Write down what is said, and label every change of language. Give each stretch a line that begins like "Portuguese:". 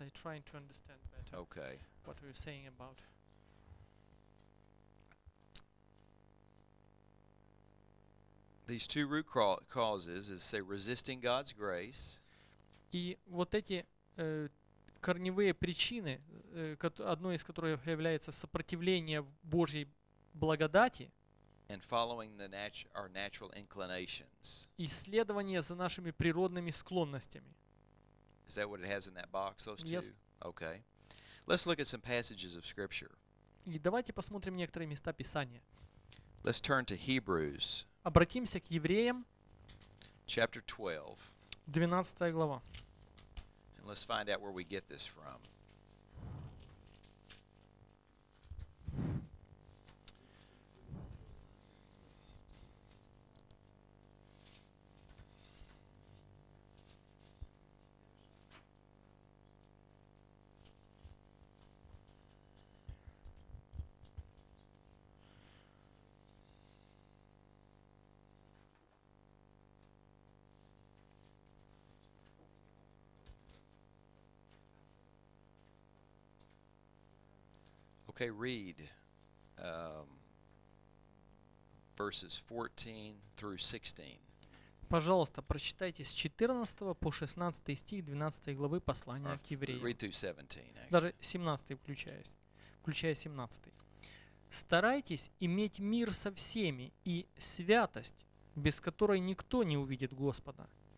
English: I'm trying to understand better. Okay. What are you saying about? These two root causes is, say, resisting God's grace.
Russian: И вот эти корневые причины, одной из которых является сопротивление Божьей благодати.
English: and following the our natural inclinations.
Russian: Исследование за нашими природными склонностями.
English: Is that what it has in that box, those yes. two? Okay. Let's look at some passages of Scripture.
Russian: И давайте посмотрим некоторые места Писания.
English: Let's turn to Hebrews.
Russian: Обратимся к Евреям.
English: Chapter 12.
Russian: 12 глава.
English: And let's find out where we get this from. Okay, read verses 14 through 16.
Russian: Пожалуйста, прочитайте с 14 по 16 стих 12 главы послания к Евреям.
English: Read through 17.
Russian: Даже 17 включая 17. Старайтесь иметь мир со всеми и святость, без которой никто не увидит Господа.